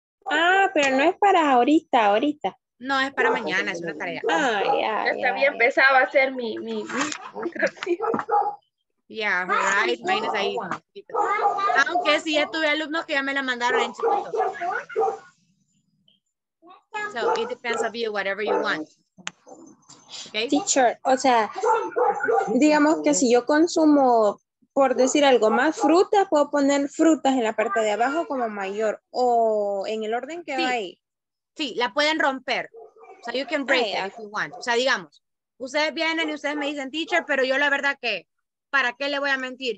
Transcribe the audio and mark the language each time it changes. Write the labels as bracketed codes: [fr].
[es] Ah, pero no es para ahorita, ahorita. No, es para mañana, es una tarea. Ah, ya. Está bien, pesado va a ser mi. [en] Yeah, right. [es] Imagínese ahí. Aunque sí, ya tuve alumnos que ya me la mandaron en chiquito. [en] So, it depends on you, whatever you want. Okay. [es] Teacher, o sea, digamos que si yo consumo, por decir algo, más frutas, puedo poner frutas en la parte de abajo como mayor o en el orden que sí. Va ahí. Sí, la pueden romper. O sea, [en] you can break it if you want. [es] O sea, digamos, ustedes vienen y ustedes me dicen, teacher, pero yo la verdad que, ¿para qué le voy a mentir?